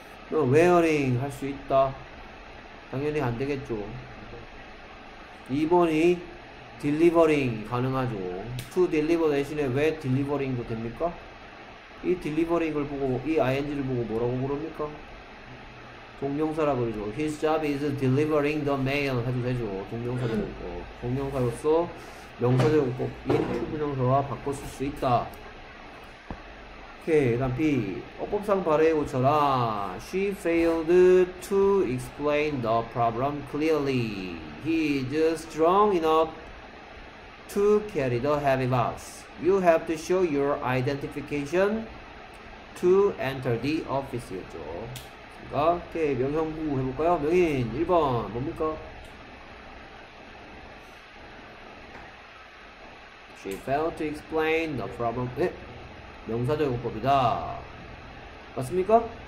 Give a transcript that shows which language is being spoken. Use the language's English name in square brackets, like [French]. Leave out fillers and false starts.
[Korean] 웨어링 할수 있다. 당연히 안 되겠죠. 2번이 딜리버링 가능하죠. [English] to deliver [Korean] 대신에 왜 딜리버링도 됩니까? 이 딜리버링을 보고, 이 ing를 보고 뭐라고 부릅니까? 동명사라 그러죠. [English] His job is delivering the mail [Korean] 해도 되죠. 동명사로서 명사적 용법인 투부정사와 바꿔 쓸수 있다. 오케이. 그 다음 B. 어법상 발의에 고쳐라. [English] She failed to explain the problem clearly. He is strong enough to carry the heavy box. You have to show your identification to enter the office였죠. [Korean] 오케이, 명형부 해볼까요? 명인 1번 뭡니까? [English] She failed to explain the problem. [Korean] 예? 명사적 용법이다. 맞습니까?